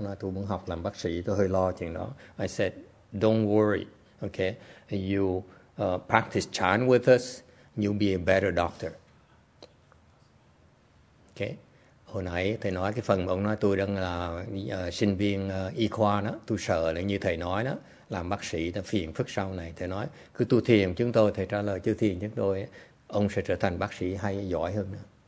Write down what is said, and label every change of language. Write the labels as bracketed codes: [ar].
[vi] Nói tôi muốn học làm bác sĩ, tôi hơi lo chuyện đó. [en] I said, don't worry. Okay, you practice Chan with us, you'll be a better doctor. [vi] Okay, hồi nãy thầy nói cái phần mà ông nói tôi đang là sinh viên y khoa đó, tôi sợ là như thầy nói đó, làm bác sĩ ta phiền phức sau này. Thầy nói cứ tu thiền chúng tôi, thầy trả lời chứ thiền chúng tôi, ông sẽ trở thành bác sĩ hay giỏi hơn nữa.